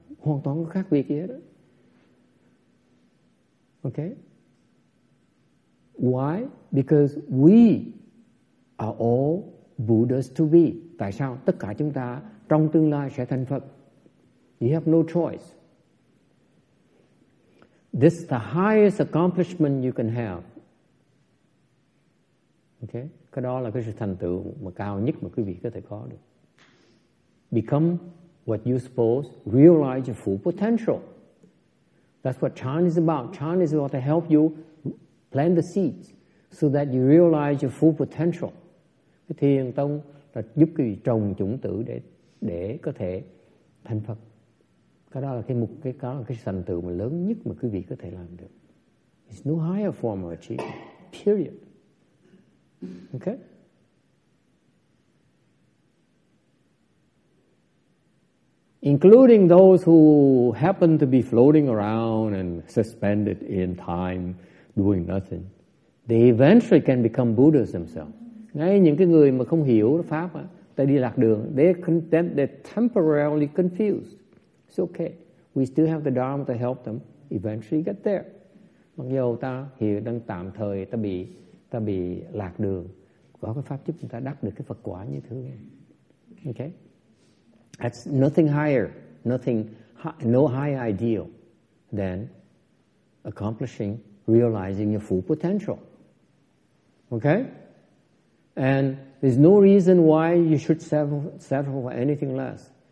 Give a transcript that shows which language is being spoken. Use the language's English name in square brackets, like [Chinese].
[Vietnamese] Hoàn toàn có khác biệt gì hết. [English] Okay? Why? Because we are all Buddhas to be. [Vietnamese] Tại sao? Tất cả chúng ta trong tương lai sẽ thành Phật. [English] You have no choice. This is the highest accomplishment you can have. Okay? [Vietnamese] Cái đó là cái sự thành tựu mà cao nhất mà quý vị có thể có được. [English] Become what you suppose, realize your full potential. That's what Chan is about. Chan is about to help you plant the seeds so that you realize your full potential. [Vietnamese] Cái thiền tông là giúp quý vị trồng chủng tử để có thể thành Phật. Cái đó là cái mục, cái đó là cái thành tựu mà lớn nhất mà quý vị có thể làm được. [English] It's no higher form of achievement. Period. Okay? Including those who happen to be floating around and suspended in time, doing nothing. They eventually can become Buddhas themselves. [Vietnamese] Ngay những cái người mà không hiểu Pháp, ta đi lạc đường, [English] they're temporarily confused. It's okay. We still have the Dharma to help them eventually get there. [Vietnamese] Mặc dù ta hiểu đang tạm thời, ta bị lạc đường, có cái Pháp giúp chúng ta đắc được cái Phật quả như thế này. [English] Okay? That's nothing higher, nothing, no higher ideal than accomplishing, realizing your full potential. Okay? And there's no reason why you should settle for anything less.